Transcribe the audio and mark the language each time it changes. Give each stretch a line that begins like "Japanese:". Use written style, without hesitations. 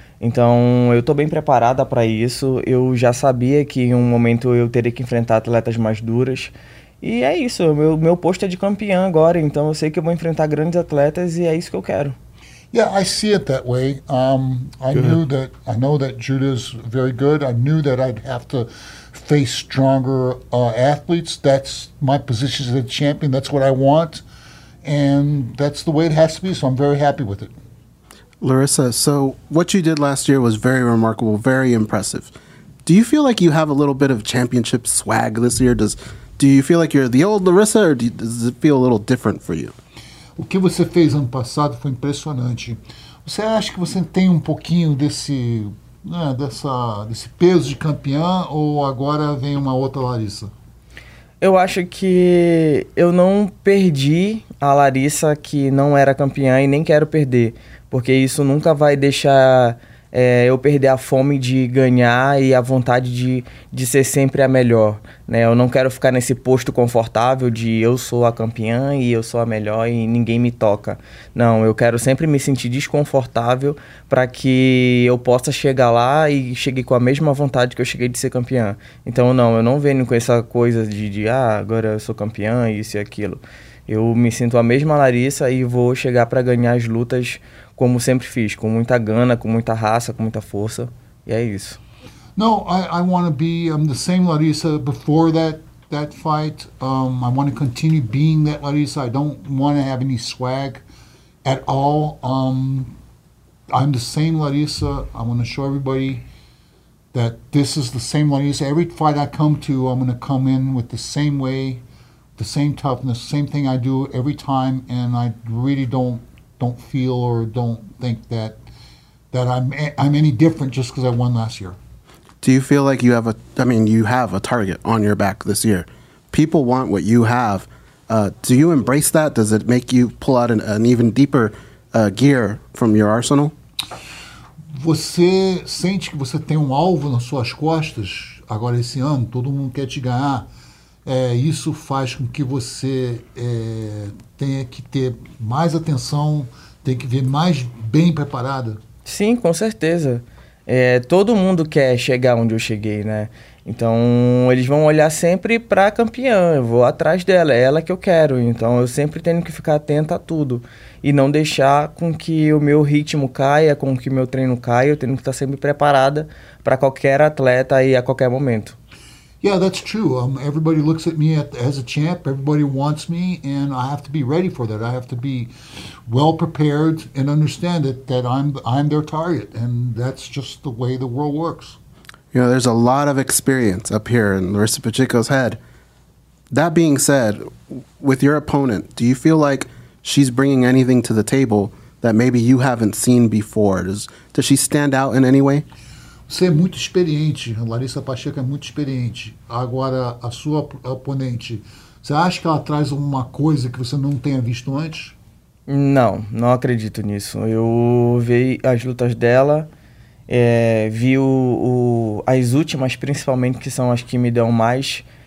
Portuguese: Então, eu estou bem preparada para isso. Eu já sabia que em um momento eu teria que enfrentar atletas mais duras. E é isso, meu posto é de campeã agora, então eu sei que eu vou enfrentar grandes atletas e é isso que eu quero.
English: Yeah, I see it that way. I know that Julia's very good. I knew that I'd have to face stronger athletes. That's my position as a champion. That's what I want. And that's the way it has to be, so I'm very happy with it. Larissa, so what you did last year was very remarkable, very impressive. Do you feel like you have a little bit of championship swag this year? Do you feel like you're the old Larissa, or does it feel a little different for you?
Portuguese: O que você fez ano passado foi impressionante. Você acha que você tem um pouquinho desse, né, desse peso de campeã, ou agora vem uma outra Larissa? Eu acho que eu não perdi a Larissa que não era campeã e nem quero perder, porque isso nunca vai deixar eu perder a fome de ganhar e a vontade de ser sempre a melhor, né? Eu não quero ficar nesse posto confortável de eu sou a campeã e eu sou a melhor e ninguém me toca. Não, eu quero sempre me sentir desconfortável para que eu possa chegar lá e chegue com a mesma vontade que eu cheguei de ser campeã. Então, não, eu não venho com essa coisa de agora eu sou campeã, isso e aquilo. Eu me sinto a mesma Larissa e vou chegar para ganhar as lutas como sempre fiz, com muita gana, com muita raça, com muita força, e é isso.
English: No, I want to be the same Larissa before that fight. I want to continue being that Larissa. I don't want to have any swag at all. I'm the same Larissa. I want to show everybody that this is the same Larissa. Every fight I come to, I'm going to come in with the same way, the same toughness, same thing I do every time, and I really don't feel or don't think that I'm any different just because I won last year. Do you feel like you have you have a target on your back this year? People want what you have. Do you embrace that? Does it make you pull out an even deeper gear from your arsenal?
Portuguese: Você sente que você tem um alvo nas suas costas agora esse ano? Todo mundo quer te ganhar. Isso faz com que você tenha que ter mais atenção, tenha que vir mais bem preparada? Sim, com certeza. Todo mundo quer chegar onde eu cheguei, né? Então, eles vão olhar sempre para a campeã, eu vou atrás dela, é ela que eu quero. Então, eu sempre tenho que ficar atento a tudo e não deixar com que o meu ritmo caia, com que o meu treino caia. Eu tenho que estar sempre preparada para qualquer atleta e a qualquer momento.
English: Yeah, that's true. Everybody looks at me as a champ. Everybody wants me, and I have to be ready for that. I have to be well prepared and understand that I'm their target, and that's just the way the world works. You know, there's a lot of experience up here in Larissa Pacheco's head. That being said, with your opponent, do you feel like she's bringing anything to the table that maybe you haven't seen before? Does she stand out in any way?
Portuguese: Você é muito experiente, Larissa Pacheco é muito experiente. Agora, a sua oponente, você acha que ela traz alguma coisa que você não tenha visto antes? Não acredito nisso. Eu vi as lutas dela, vi as últimas, principalmente, que são as que me dão mais...